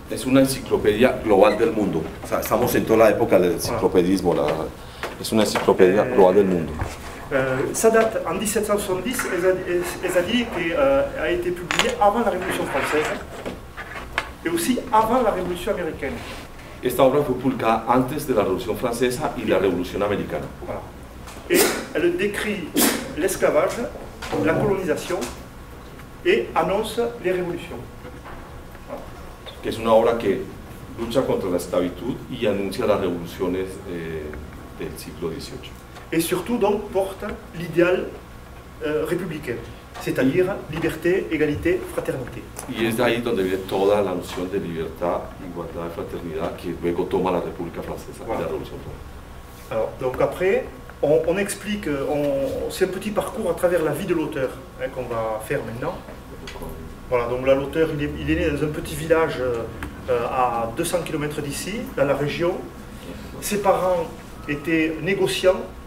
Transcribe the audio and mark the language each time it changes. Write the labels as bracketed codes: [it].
[es] Es una enciclopedia global del mundo. O sea, estamos en toda la época del enciclopedismo. La, es una enciclopedia global del mundo. [fr] Ça date en 1770, c'est-à-dire qu'a été publié avant la Révolution française et aussi avant la Révolution américaine. [es] Esta obra fue publicada antes de la Revolución Francesa y la Revolución Americana. [fr] Voilà. Et elle décrit l'esclavage, la colonisation et annonce les révolutions. Voilà. [es] Que es una obra que lucha contra la esclavitud y anuncia las revoluciones del siglo XVIII. [fr] Et surtout donc porte l'idéal républicain, c'est-à-dire liberté, égalité, fraternité. [es] Y es de ahí donde viene toda la noción de libertad, igualdad y fraternidad que luego toma la República Francesa, voilà. La Revolución Francesa. [fr] Alors, donc après, on explique ce petit parcours à travers la vie de l'auteur hein, qu'on va faire maintenant. Voilà, donc là l'auteur il est né dans un petit village à 200 km d'ici, dans la région. Ses parents étaient négociants.